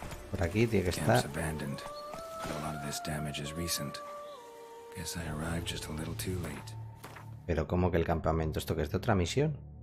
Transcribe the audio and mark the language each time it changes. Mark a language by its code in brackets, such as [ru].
[es] Por aquí tiene que estar. [en] Abandoned. A lot of this damage is recent. Guess I arrived just a little too late. [es] Pero ¿cómo que el campamento? ¿Esto que es de otra misión?